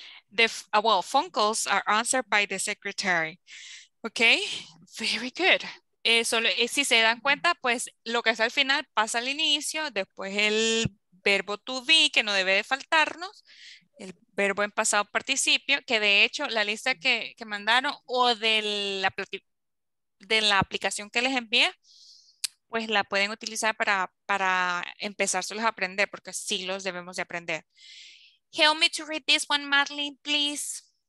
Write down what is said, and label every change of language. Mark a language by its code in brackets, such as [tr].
[en] The phone calls are answered by the secretary. Ok, very good. [es] Si se dan cuenta, pues lo que está al final pasa al inicio, después el verbo to be, que no debe de faltarnos, el verbo en pasado participio, que de hecho la lista que mandaron o de la aplicación que les envié, pues la pueden utilizar para empezárselos a aprender, porque sí los debemos de aprender. [en] Help me to read this one, Marlene, please.